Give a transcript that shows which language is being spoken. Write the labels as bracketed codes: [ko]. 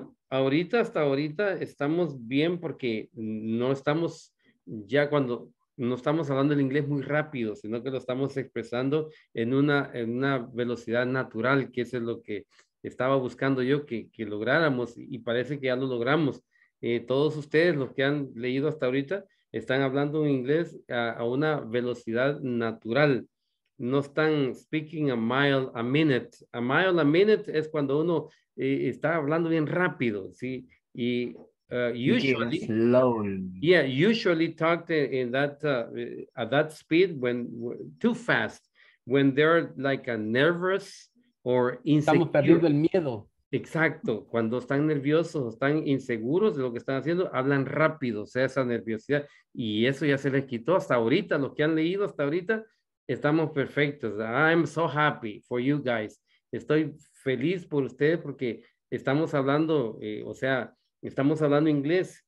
[es] ahorita, hasta ahorita estamos bien porque no estamos ya cuando no estamos hablando el inglés muy rápido, sino que lo estamos expresando en una velocidad natural, que eso es lo que estaba buscando yo que lográramos, y parece que ya lo logramos. Todos ustedes, los que han leído hasta ahorita, están hablando un inglés a una velocidad natural. No están speaking a mile a minute. A mile a minute es cuando uno está hablando bien rápido, ¿sí? [en] Y usually talked in that at that speed when too fast, when they're like a nervous or insecure. [es] Estamos perdiendo el miedo. Exacto, cuando están nerviosos, están inseguros de lo que están haciendo, hablan rápido, o sea, esa nerviosidad, y eso ya se les quitó hasta ahorita. Los que han leído hasta ahorita, estamos perfectos. I'm so happy for you guys. Estoy feliz por ustedes porque estamos hablando, o sea, estamos hablando inglés.